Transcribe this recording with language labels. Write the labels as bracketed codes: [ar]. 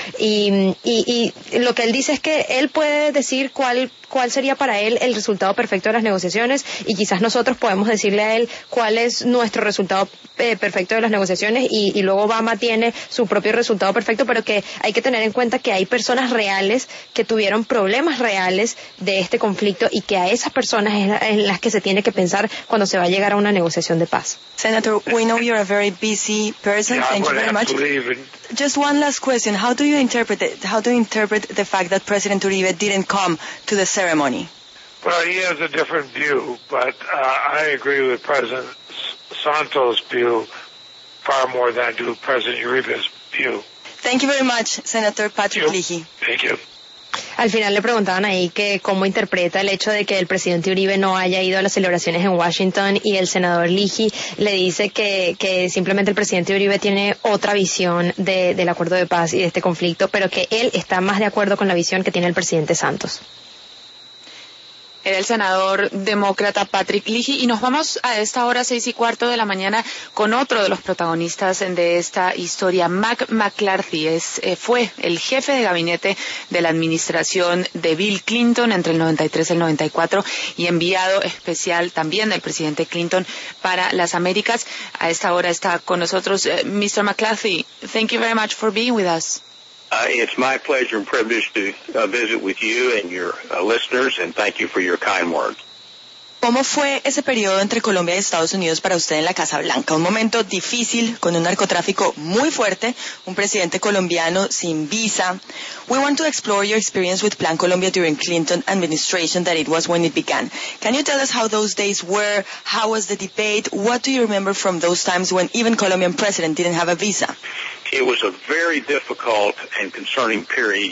[es] Y lo que él dice es que él puede decir cuál sería para él el resultado perfecto de las negociaciones, y quizás nosotros podemos decirle a él cuál es nuestro resultado perfecto de las negociaciones, y luego Obama tiene su propio resultado perfecto, pero que hay que tener en cuenta que hay personas reales que tuvieron problemas reales de este conflicto, y que a esas personas es en las que se tiene que pensar cuando se va a llegar a una negociación de paz. [en] Senator, we know you're a very busy person. Yeah, thank you very much. Just one last question. How do you interpret it? How do you interpret the fact that President Uribe didn't come to the ceremony? Well, he has a different view, but I agree with President Santos' view far more than I do President Uribe's view. Thank you very much, Senator Patrick Leahy. Thank you. [es] Al final le preguntaban ahí que cómo interpreta el hecho de que el presidente Uribe no haya ido a las celebraciones en Washington, y el senador Ligi le dice que simplemente el presidente Uribe tiene otra visión del acuerdo de paz y de este conflicto, pero que él está más de acuerdo con la visión que tiene el presidente Santos. Era el senador demócrata Patrick Ligi, y nos vamos a esta hora, 6:15 de la mañana, con otro de los protagonistas de esta historia. Mac McCarthy fue el jefe de gabinete de la administración de Bill Clinton entre el 93 y el 94, y enviado especial también del presidente Clinton para las Américas. A esta hora está con nosotros Mr. McCarthy. [en] Thank you very much for being with us. It's my pleasure and privilege to visit with you and your listeners, and thank you for your kind words. [es] ¿Cómo fue ese periodo entre Colombia y Estados Unidos para usted en la Casa Blanca? Un momento difícil con un narcotráfico muy fuerte, un presidente colombiano sin visa. [en] We want to explore your experience with Plan Colombia during Clinton administration, that it was when it began. Can you tell us how those days were? How was the debate? What do you remember from those times when even Colombian president didn't have a visa? It was a very difficult and concerning period.